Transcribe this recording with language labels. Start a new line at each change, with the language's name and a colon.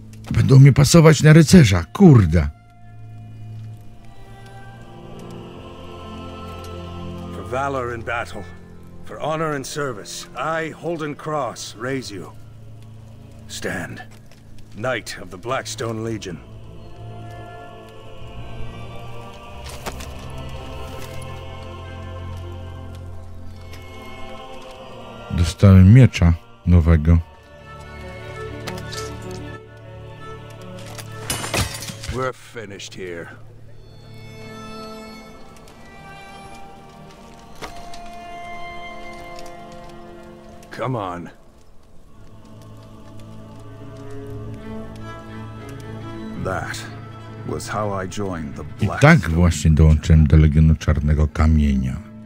Polish: Będą mnie pasować na rycerza, kurde.
English: For valor in battle, for honor and service, I, Holden Cross, raise you. Stand, Knight of the Blackstone Legion.
Polish: Dostałem miecza nowego.
English: We're finished here. Come on. That was how I joined the Black.
Polish: I tak właśnie dołączyłem do Legionu Czarnego Kamienia.